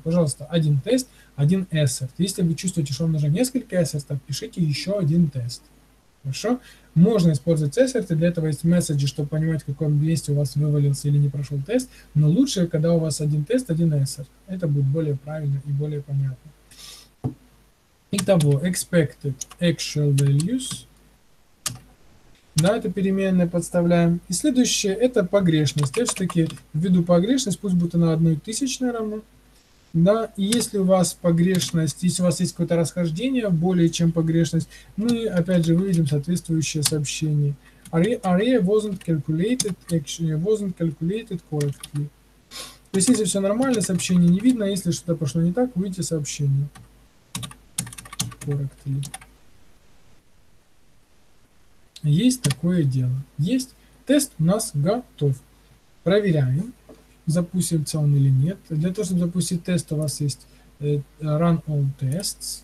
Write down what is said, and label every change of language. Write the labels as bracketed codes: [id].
[ru] Пожалуйста, один тест, один эссерт. Если вы чувствуете, что вам нужно несколько эссертов, пишите еще один тест. Хорошо? Можно использовать эссерты, для этого есть месседжи, чтобы понимать, в каком месте у вас вывалился или не прошел тест, но лучше, когда у вас один тест, один эссерт. Это будет более правильно и более понятно. Итого, [en] expected actual values. [ru] Да, это переменная, подставляем. И следующее, это погрешность. Я все-таки введу погрешность, пусть будет она 1000 равно. Да, и если у вас погрешность, если у вас есть какое-то расхождение более чем погрешность, мы опять же выведем соответствующее сообщение. [en] Array wasn't calculated, actually, wasn't calculated correctly. [ru] То есть, если все нормально, сообщение не видно, если что-то пошло не так, увидите сообщение. Есть такое дело. Есть. Тест у нас готов. Проверяем, запустится он или нет. Для того, чтобы запустить тест, у вас есть Run All Tests.